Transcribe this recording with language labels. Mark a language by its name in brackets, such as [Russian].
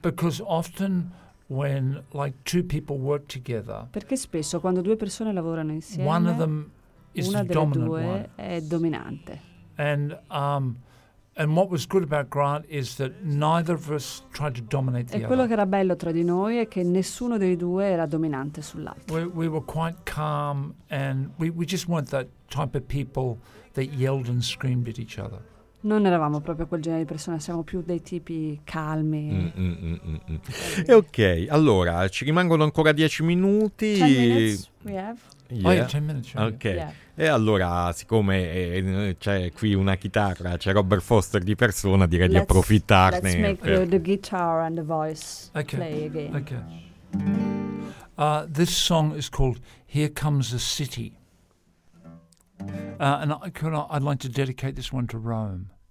[English] Because often when like two people work together. [Italian] Perché spesso quando due persone lavorano insieme. [English] One of them is [Italian] una [English] the dominant [Italian] due [English] one. [Italian] È dominante. [English] And what was good about Grant is that neither of us tried to dominate the other. [Italian] E quello che era bello tra di noi è che nessuno dei due era dominante sull'altro. [English] We were quite calm and we just weren't that type of people that yelled and screamed at each other. [Italian] Non eravamo proprio quel genere di persone, siamo più dei tipi calmi. E ok, allora ci rimangono ancora 10 minuti. [English] 10 minutes we have. Yeah. Oh, yeah, 10 minutes. Right? Ok. [Italian] Yeah. E allora, siccome c'è qui una chitarra, c'è Robert Foster di persona, direi di approfittarne. [English] Let's make the guitar and the voice play again. Okay. This song is called "Here Comes a City." And I'd like to dedicate this one to Rome.